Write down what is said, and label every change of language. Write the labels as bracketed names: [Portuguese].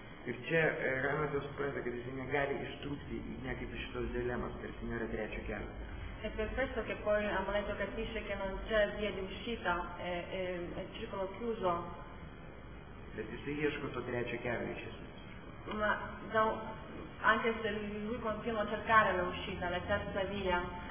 [Lithuanian] Ir čia Hamletas supranta, kad jis negali ištrūkti niekaip iš šitos dilemos, kad jis nėra trečio kelio. [Italian] E per questo che poi Hamleto capisce che non c'è via di uscita, è circolo chiuso. [Lithuanian] Bet jisai ieško to trečio kelio iš esmės. [Italian] Ma, anche se lui continua a cercare la uscita, la terza via.